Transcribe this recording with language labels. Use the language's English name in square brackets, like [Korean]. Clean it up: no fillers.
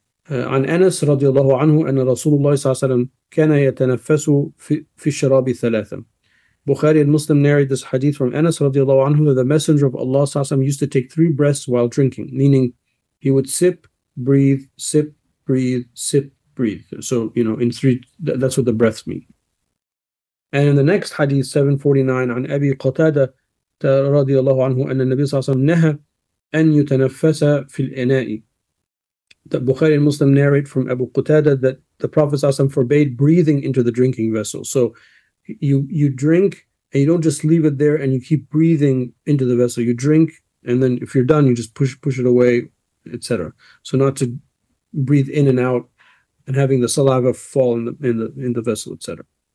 [Arabic] عن أنس رضي الله عنه أن رسول الله صلى الله عليه وسلم كان يتنفس في الشراب ثلاثة. [English] Bukhari and Muslim narrate this hadith from Anas رضي الله عنه that the Messenger of Allah صلى الله عليه وسلم used to take three breaths while drinking, meaning he would sip, breathe, sip, breathe, sip, breathe. So, you know, in three, that's what the breaths mean. And in the next hadith, [Arabic] 749, عن أبي قتادة رضي الله عنه أن النبي صلى الله عليه وسلم نهى أن يتنفس في الإناء. [English] The Bukhari and Muslim narrate from Abu Qutada that the Prophet ﷺ forbade breathing into the drinking vessel. So you drink and you don't just leave it there and you keep breathing into the vessel. You drink and then if you're done, you just push it away, etc. So not to breathe in and out and having the saliva fall in the vessel, etc.